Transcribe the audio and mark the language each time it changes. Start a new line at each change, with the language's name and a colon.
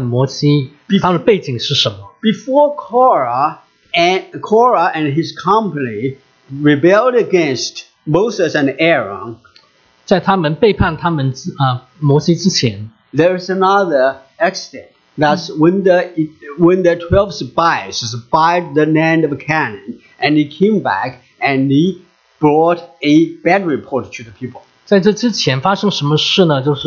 Chinese: 你要看见他们的为什么要反对背叛摩西，他的背景是什么。
English: Before Korah and his company rebelled against Moses and Aaron,
Chinese: 在他们背叛他们摩西之前,
English: there's another accident. That's when the 12 spies spied the land of Canaan, and he came back and he brought a bad report to the people.
Chinese: 在这之前发生什么事呢?